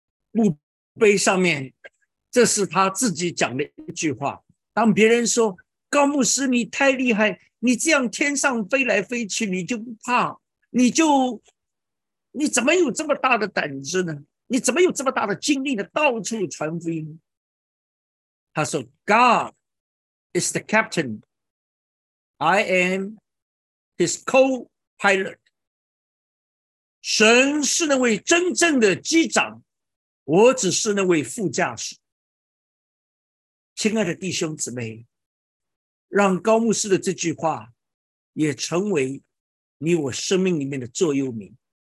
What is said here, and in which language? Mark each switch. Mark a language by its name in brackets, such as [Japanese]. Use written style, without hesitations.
[Chinese] 墓碑上面，这是他自己讲的一句话。当别人说，高牧师你太厉害，你这样天上飞来飞去，你就不怕，你怎么有这么大的胆子呢？你怎么有这么大的精力呢？到处传福音。他说 [English] God is the captain, I am his co-pilot. [Chinese] 神是那位真正的机长，我只是那位副驾驶。亲爱的弟兄姊妹，让高牧师的这句话也成为你我生命里面的座右铭。